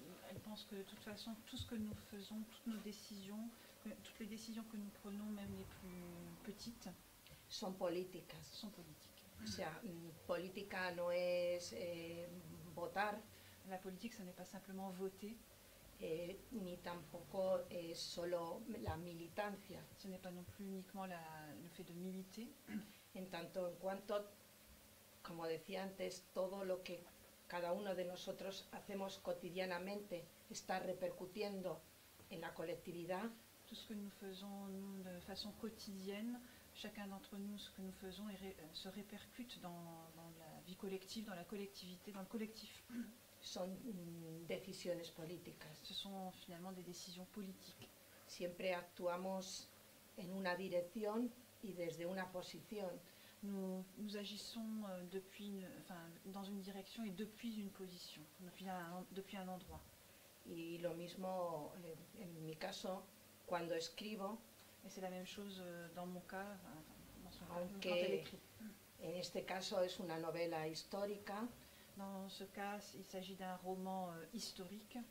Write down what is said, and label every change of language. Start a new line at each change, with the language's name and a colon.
French: elle pense que de toute façon, tout ce que nous faisons, toutes nos décisions, toutes les décisions que nous prenons, même les plus petites,
Spanish: son políticas.
French: Son politique.
Spanish: O sea, política no es votar.
French: La politique, ce n'est pas simplement voter.
Spanish: Ni tampoco es solo la militancia.
French: Ce n'est pas non plus uniquement le fait de militer.
Spanish: En tanto en cuanto, como decía antes, todo lo que cada uno de nosotros hacemos cotidianamente está repercutiendo en la colectividad.
French: Tout ce que nous faisons de façon quotidienne, chacun d'entre nous, ce que nous faisons se répercute dans la vie collective, dans la collectivité, dans le collectif.
Spanish: Son decisiones políticas.
French: Ce sont finalement des décisions politiques.
Spanish: Siempre actuamos en una dirección y desde una posición.
French: Nous agissons depuis dans une direction et depuis une position, depuis un endroit.
Spanish: Y lo mismo en mi caso cuando escribo.
French: Et c'est la même chose dans mon cas,
Spanish: aunque
French: quand elle écrit.
Spanish: En este caso es una novela histórica.
French: Dans ce cas, il s'agit d'un roman historique.